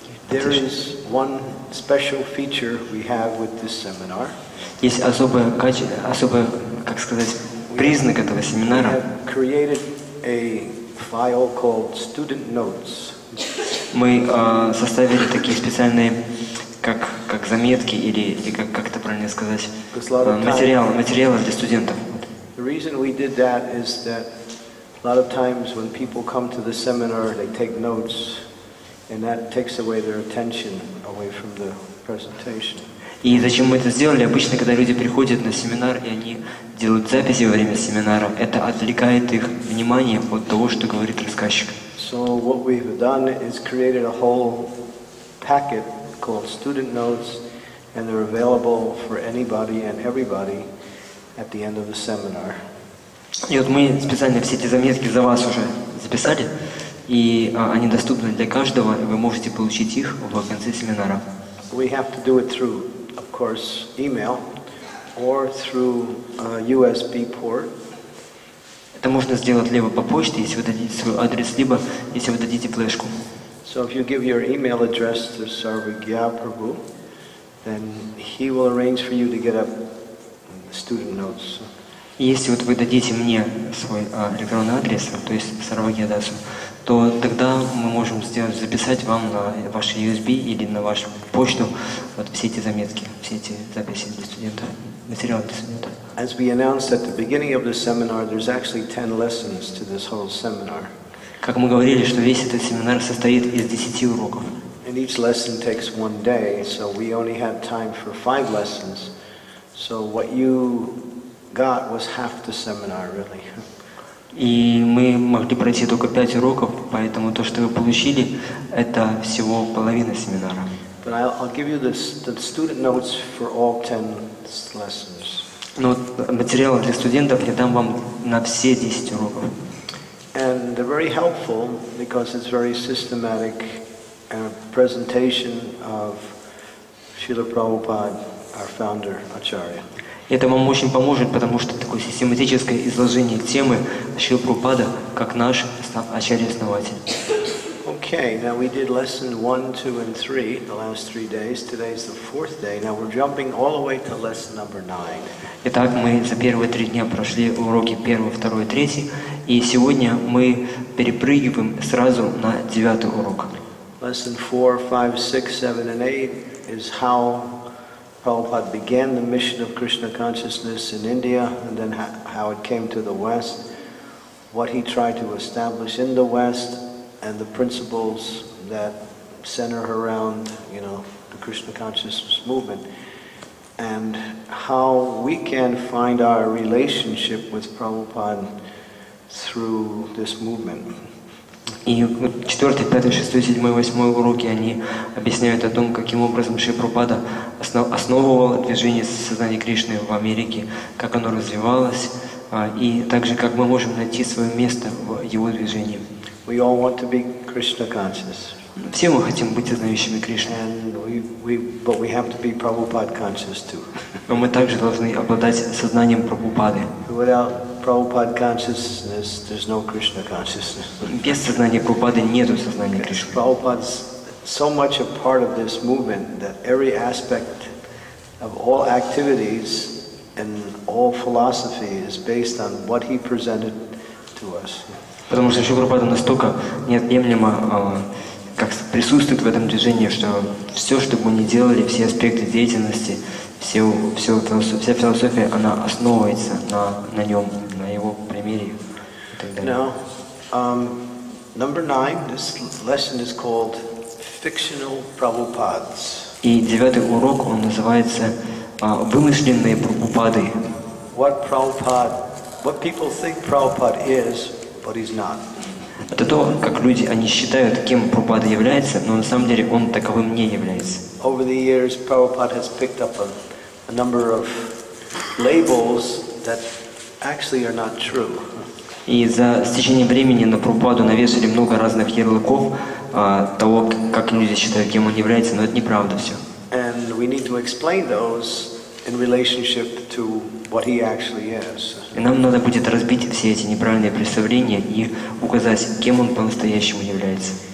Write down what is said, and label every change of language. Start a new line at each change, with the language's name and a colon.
English: there is one special feature we have with this seminar.
Ukrainian: Є особливий, як сказати, признак цього семінару.
English: We have created a file called student notes.
Ukrainian: Ми составили такі спеціальні, як замітки, або як-то правильно сказати, матеріали для студентів.
English: The reason we did that is that a lot of times when people come to the seminar, they take notes, and that takes away their attention away from the presentation.
Ukrainian: І зачем ми це зробили? Обычно, коли люди приходять на семінар і вони роблять записи во время семінару, це відвлекає їх внимание від того, що говорить рассказчик.
English: So what we've done is created a whole packet called student notes, and they're available for anybody and everybody at the end of the seminar.
Ukrainian: І от ми спеціально всі ці заметки за вас уже записали, і вони доступні для кожного, і ви можете отримати їх в кінці семінару.
English: We have to do it through, of course, email or through USB port.
Ukrainian: Це можна зробити либо по пошті, якщо ви дадите свій адрес, либо якщо ви дадите флешку.
English: So if you give your email address to Sarvagya Prabhu, then he will arrange for you to get a student notes.
Ukrainian: Якщо от ви дадите мені свій електронний адрес, то є Sarvagya Dasu, то тоді ми можемо записати вам на ваш USB або на вашу пошту от всі ці заметки, всі ці записи для студентів, матеріали для студентів.
English: As we announced at the beginning of the seminar, there's actually 10 lessons to this whole seminar.
Russian: Как мы говорили, что весь этот семинар состоит из 10 уроков.
English: And each lesson takes one day, so we only had time for 5 lessons. So what you got was half the seminar, really.
Russian: И мы могли пройти только 5 уроков, поэтому то, что вы получили, это всего половина семинара.
English: But I'll give you the student notes for all 10 lessons.
Russian: Но материалы для студентов я дам вам на все 10 уроков.
English: And they're very helpful because it's very systematic presentation of Srila Prabhupada, our founder, Acharya.
Russian: Это вам очень поможет, потому что такое систематическое изложение темы Шрила Прабхупада, как наш Ачарья-основатель.
English: Okay, now we did lesson 1, 2, and 3, the last 3 days. Today is the 4th day. Now we're jumping all the way to lesson number 9.
Russian: Итак, мы за первые 3 дня прошли уроки 1, 2, 3, и сегодня мы перепрыгиваем сразу на 9 урок.
English: Lesson 4, 5, 6, 7, and 8 is how Prabhupada began the mission of Krishna consciousness in India, and then how it came to the West, what he tried to establish in the West, and the principles that center around, you know, the Krishna consciousness movement, and how we can find our relationship with Prabhupada through this movement.
Russian: И 4, 5, 6, 7, 8 уроки они объясняют о том, каким образом Шри Прабхупада основывал движение сознания Кришны в Америке, как оно развивалось, и также как мы можем найти свое место в его движении.
English: We all want to be Krishna conscious.
Russian: Все мы хотим быть сознающими Кришны.
English: But we have to be Prabhupada conscious too.
Russian: Но мы также должны обладать сознанием Прабхупады.
English: Without Prabhupada consciousness, there's no Krishna consciousness.
Russian: Без сознания Прабхупады нету сознания Кришны.
English: Prabhupada's so much a part of this movement that every aspect of all activities and all philosophy is based on what he presented to us.
Russian: Потому что Шри Прабхупада настолько неотъемлемо как присутствует в этом движении, что все, что бы мы ни делали, все аспекты деятельности, вся философия, она основывается на нем, на его примере и так далее.
English: Now, number 9, this lesson is called fictional Prabhupadas.
Russian: И 9 урок, он называется вымышленные Прабхупады.
English: What people think Prabhupada is, but he's not.
Russian: Это то, как люди, они считают, кем Прабхупада является, но на самом деле он таковым не является.
English: Over the years, Prabhupada has picked up a number of labels that actually are not true.
Russian: И за течение времени на Прабхупаду навесили много разных ярлыков того, как люди считают, кем он является, но это неправда все.
English: And we need to explain those in relationship to what he actually is.
Russian: И нам надо будет разбить все эти неправильные представления и указать, кем он по-настоящему является.